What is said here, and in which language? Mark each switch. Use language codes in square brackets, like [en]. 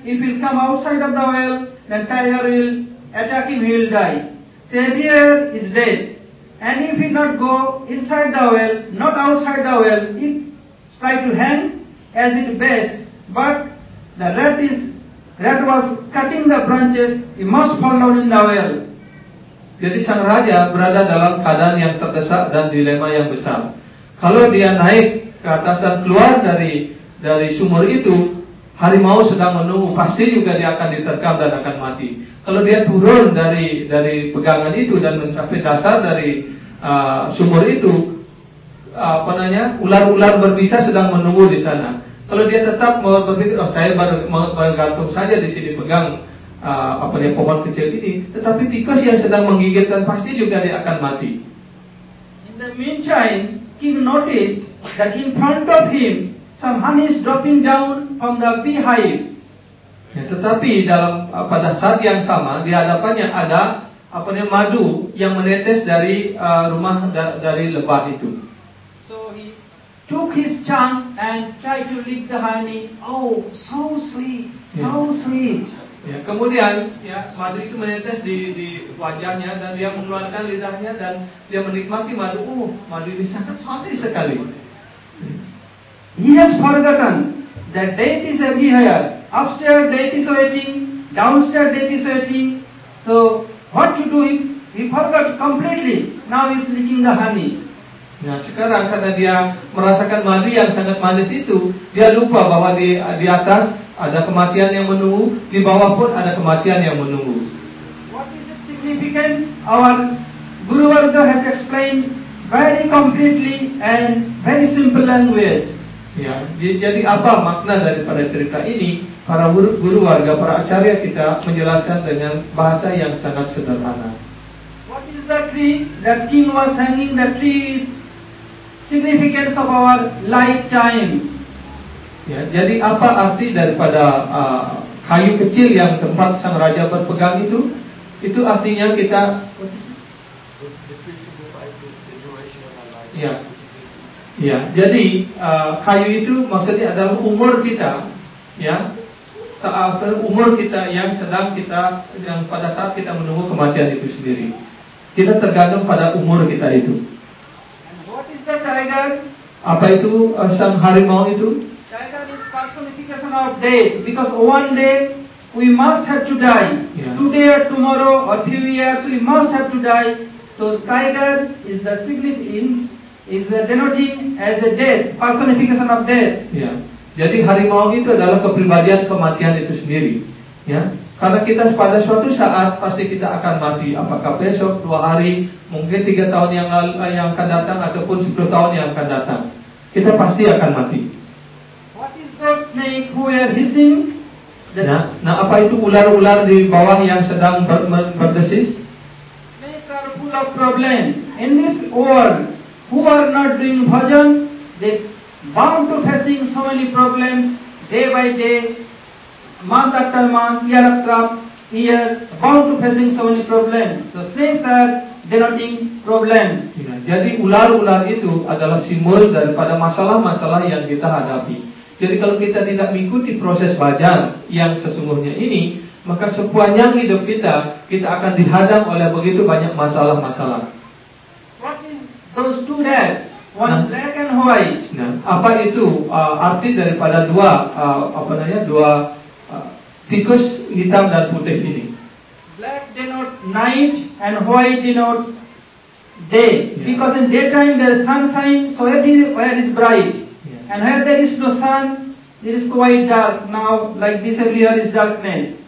[en] If he'll come outside of the well, then tiger will attack him, he will die. So everywhere is dead. And if he not go inside the well, not outside the well, he try to hang as it best, but the rat was cutting the branches, he must fall down in the well. [id] Jadi sang raja berada dalam keadaan yang terdesak dan dilema yang besar. Kalau dia naik ke atas dan keluar dari sumur itu, harimau sedang menunggu, pasti juga dia akan diterkam dan akan mati. Kalau dia turun dari pegangan itu dan mencapai dasar dari sumur itu, ular-ular berbisa sedang menunggu di sana. Kalau dia tetap mau berpikir, oh, saya mau bergantung saja di sini pegang pohon kecil ini, tetapi tikus yang sedang menggigit dan pasti juga dia akan mati. [en] In the meantime, king noticed that in front of him some honey is dropping down from the beehive. [id] Ya, tetapi pada saat yang sama di hadapannya ada madu yang menetes dari rumah dari lebah itu. [en] So he took his chunk and tried to lick the honey. Oh, so sweet, so sweet. [id] Ya, kemudian ya, madu itu menetes di wajahnya dan dia mengeluarkan lidahnya dan dia menikmati madu. Madu ini sangat manis sekali. [en] He has forgotten that death is everywhere. Upstairs death is waiting, downstairs death is waiting. So what to do? He forgot completely. Now he is licking the honey. [id] Nah, sekarang karena dia merasakan madu yang sangat manis itu, dia lupa bahwa di atas ada kematian yang menunggu, di bawah pun ada kematian yang menunggu. [en] What is the significance? Our Guru Arjo has explained very completely and very simple language. [id] Ya, jadi apa makna daripada cerita ini? Para guru warga, para acarya kita menjelaskan dengan bahasa yang sangat sederhana. [en] What is the tree that king was hanging? The tree is significance of our lifetime. [id] Ya, jadi apa arti daripada kayu kecil yang tempat sang raja berpegang itu? Itu artinya kita. Ya. Ya, jadi kayu itu maksudnya adalah umur kita, ya, saat umur kita yang sedang kita yang pada saat kita menunggu kematian itu sendiri. Kita tergantung pada umur kita itu. [en] And what is the tiger? [id] Apa itu sang harimau itu? [en] Tiger is personification of death because one day we must have to die. Yeah. Today or tomorrow or 3 years we must have to die. So tiger is the significant. Is denoting as a death, personification of death. [id] Ya, jadi harimau itu adalah kepribadian kematian itu sendiri. Ya, karena kita pada suatu saat pasti kita akan mati. Apakah besok, 2 hari, mungkin 3 tahun yang akan datang ataupun 10 tahun yang akan datang, kita pasti akan mati. [en] What is the snake who are hissing? [id] Nah, apa itu ular-ular di bawah yang sedang berdesis? [en] Snakes are full of problem in this world. Who are not doing bhajan, they bound to facing so many problems day by day, month after month, year after year, bound to facing so many problems. So snakes are denoting problems. [id] Ya, jadi ular-ular itu adalah simbol daripada masalah-masalah yang kita hadapi. Jadi kalau kita tidak mengikuti proses bhajan yang sesungguhnya ini, maka sepanjang hidup kita akan dihadang oleh begitu banyak masalah-masalah. [en] Those two hats, black and white. [id] Nah, apa itu arti daripada dua tikus hitam dan putih ini? [en] Black denotes night and white denotes day. Yeah. Because in daytime there is sunshine, so everywhere is bright. Yeah. And where there is no sun, it is quite dark. Now, like this earlier is darkness.